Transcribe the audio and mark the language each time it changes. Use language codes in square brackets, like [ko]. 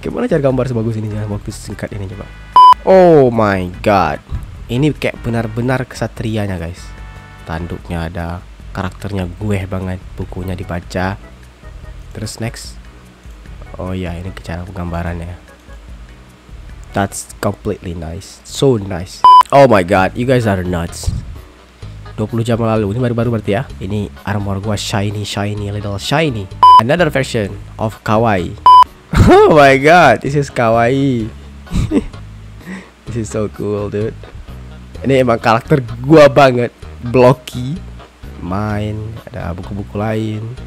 [id] Gimana cara gambar sebagus ini dalam waktu singkat ini coba. [en] Oh my god. [id] Ini kayak benar-benar kesatrianya, guys. Tanduknya ada, karakternya gue banget, bukunya dibaca. Terus next. Oh ya, ini cara penggambarannya. [en] That's completely nice. So nice. Oh my god, you guys are nuts. [id] 20 jam lalu, ini baru-baru berarti ya. Ini armor gua [en] shiny, little shiny. Another version of kawaii. Oh my god, this is kawaii. This is so cool, dude. [id] Ini emang karakter gua banget. Blocky. Main, ada buku-buku lain.